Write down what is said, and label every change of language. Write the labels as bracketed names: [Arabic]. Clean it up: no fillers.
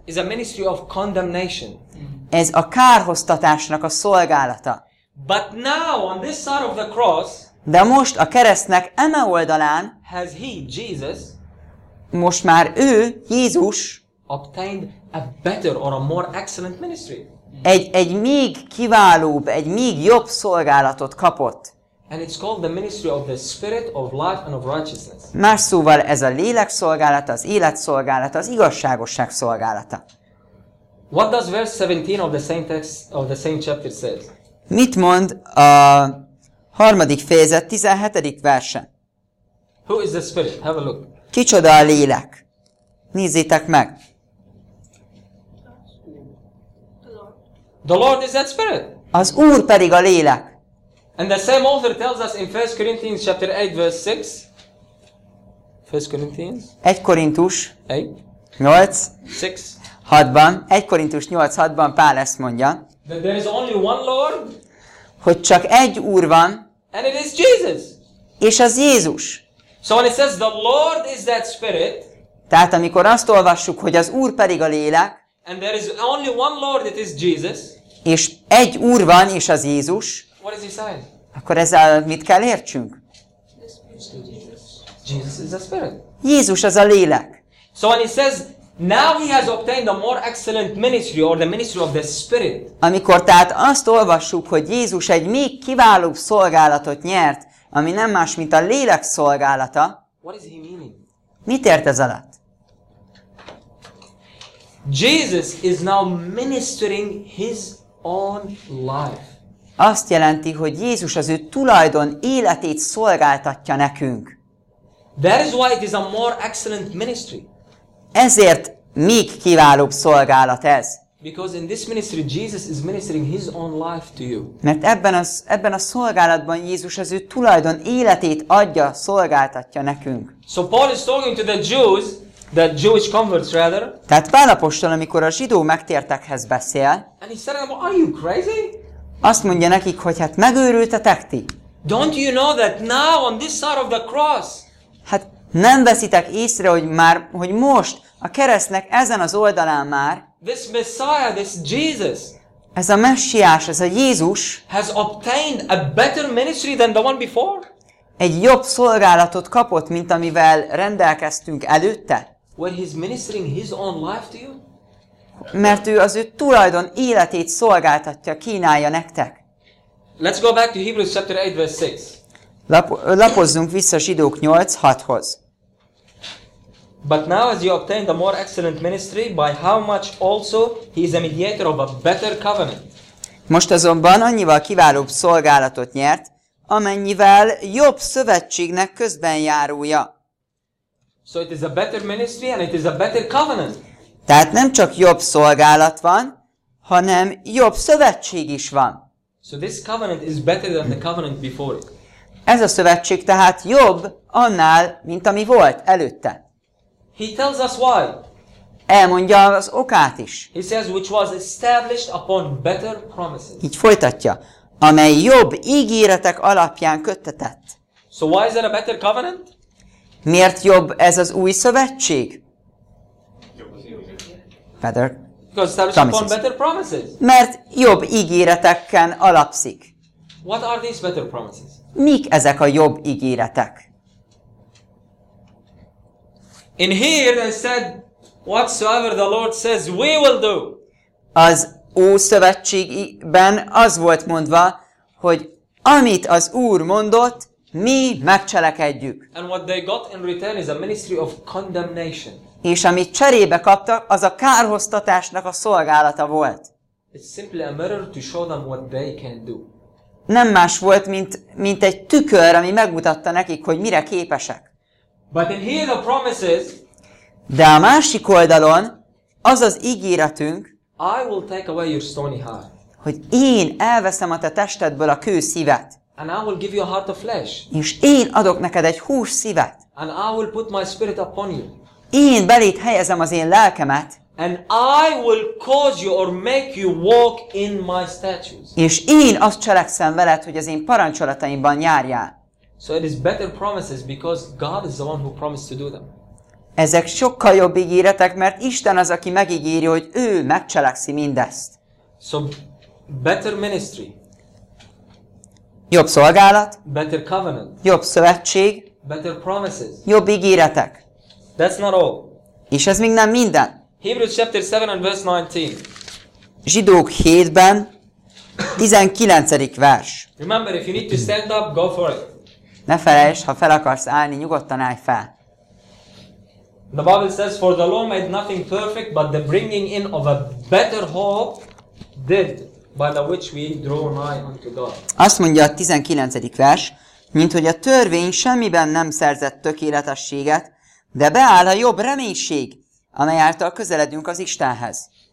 [English] is a ministry of condemnation. [Hungarian] Ez a kárhoztatásnak a szolgálata. [English] But now, on this side of the cross, [Hungarian] de most a keresztnek eme oldalán, [English] has he, Jesus, [Hungarian] most már ő, Jézus, [English] obtained a better or a more excellent ministry. [Hungarian] Egy még kiválóbb, egy még jobb szolgálatot kapott. [English] And it's called the ministry of the spirit of life and of righteousness. [Hungarian] Más szóval ez a lélek szolgálata, az élet szolgálata, az igazságosság szolgálata. [English] What does verse 17 of the same text of the same chapter says? [Hungarian] Mit mond a harmadik fejezet 17. verse? [English] Who is the spirit? Have a look. [Hungarian] Kicsoda a lélek? Nézzétek meg. [English] The Lord is that spirit. [Hungarian] Az Úr pedig a lélek. [English] And the same author tells us in 1 Corinthians chapter 8 verse 6. 1 Corinthians [Hungarian] 1 Korintus 8 6-ban 1 Korintus 8:6-ban Pál ezt mondja. [English] That there is only one Lord. [Hungarian] Hogy csak egy Úr van. [English] And it is Jesus. [Hungarian] És az Jézus. [English] So when it says the Lord is that spirit. [Hungarian] Tehát amikor azt olvassuk, hogy az Úr pedig a lélek. [English] And there is only one Lord, it is Jesus. [Hungarian] És egy Úr van, és az Jézus. [English] What is he saying? [Hungarian] Akkor ezzel mit kell értsünk? [English] Jesus is the spirit. [Hungarian] Jézus az a lélek. [English] So when he says, now he has obtained a more excellent ministry, or the ministry of the spirit. [Hungarian] Amikor tehát azt olvassuk, hogy Jézus egy még kiválóbb szolgálatot nyert, ami nem más, mint a lélek szolgálata. [English] What is he meaning? [Hungarian] Mit ért ez alatt? [English] Jesus is now ministering his own life. [Hungarian] Azt jelenti, hogy Jézus az ő tulajdon életét szolgáltatja nekünk. [English] That is why it is a more excellent ministry. [Hungarian] Ezért még kiválóbb szolgálat ez. [English] Because in this ministry Jesus is ministering his own life to you. [Hungarian] Mert ebben a szolgálatban Jézus az ő tulajdon életét adja, szolgáltatja nekünk. [English] So Paul is talking to the Jews, the Jewish converts rather. [Hungarian] Tehát Pál apostol, amikor a zsidó megtértekhez beszél. [English] And he said, are you crazy? [Hungarian] Azt mondja nekik, hogy hát megőrültetek ti. [English] Don't you know that now on this side of the cross? [Hungarian] Hát nem veszitek észre, hogy most a keresztnek ezen az oldalán már. [English] This Messiah, this Jesus. [Hungarian] Ez a messiás, ez a Jézus. [English] Has obtained a better ministry than the one before? [Hungarian] Egy jobb szolgálatot kapott, mint amivel rendelkeztünk előtte. [English] Where he's ministering his own life to you? [Hungarian] Mert ő az ő tulajdon életét szolgáltatja, kínálja nektek. [English] Let's go back to Hebrews chapter 8 verse 6. [Hungarian] Lapozzunk vissza Zsidók 8:6-hoz. [English] But now as you obtain the more excellent ministry, by how much also he is a mediator of a better covenant. [Hungarian] Most azonban annyival kiválóbb szolgálatot nyert, amennyivel jobb szövetségnek közben járója. [English] So it is a better ministry and it is a better covenant. [Hungarian] Tehát nem csak jobb szolgálat van, hanem jobb szövetség is van. [English] So this covenant is better than the covenant before it. [Hungarian] Ez a szövetség tehát jobb annál, mint ami volt előtte. [English] He tells us why. [Hungarian] Elmondja az okát is. [English] He says which was established upon better promises. [Hungarian] Így folytatja, amely jobb ígéretek alapján köttetett. [English] So why is there a better covenant? [Hungarian] Miért jobb ez az új szövetség? [English] Better. Because established promises. Upon better promises. [Hungarian] Mert jobb ígéreteken alapszik. [English] What are these better promises? [Hungarian] Mik ezek a jobb ígéretek? [English] In here they said whatsoever the Lord says we will do. [Hungarian] Az Ószövetségben az volt mondva, hogy amit az Úr mondott, mi megcselekedjük. [English] And what they got in return is a ministry of condemnation. [Hungarian] És amit cserébe kaptak, az a kárhoztatásnak a szolgálata volt. [English] It's simply a mirror to show them what they can do. [Hungarian] Nem más volt, mint egy tükör, ami megmutatta nekik, hogy mire képesek. [English] But in here the promises, [Hungarian] de a másik oldalon az az ígéretünk, [English] I will take away your stony heart, [Hungarian] hogy én elveszem a te testedből a kő szívet, [English] and I will give you a heart of flesh, [Hungarian] és én adok neked egy hús szívet, [English] and I will put my spirit upon you, [Hungarian] én beléd helyezem az én lelkemet, [English] and I will cause you or make you walk in my statutes, [Hungarian] és én azt cselekszem veled, hogy az én parancsolataimban járjál. [English] So it is better promises because God is the one who promised to do them. [Hungarian] Ezek sokkal jobb ígéretek, mert Isten az, aki megígéri, hogy ő megcselekszi mindezt. [English] So better ministry. [Hungarian] Jobb szolgálat. [English] Better covenant. [Hungarian] Jobb szövetség. [English] Better promises. [Hungarian] Jobb ígéretek. [English] That's not all. [Hungarian] És ez még nem minden. [English] Hebrews chapter 7 and verse 19. [Hungarian] Zsidók 7-ben 19. vers. [English] Remember, if you need to stand up, go for it. [Hungarian] Ne felejtsd, ha fel akarsz állni, nyugodtan állj fel. [English] The Bible says, for the law made nothing perfect, but the bringing in of a better hope did, by the which we draw nigh unto God. [Hungarian] Azt mondja a 19. vers, mint hogy a törvény semmiben nem szerzett tökéletességet, de beáll a jobb reménység, amely által közeledünk az Istenhez.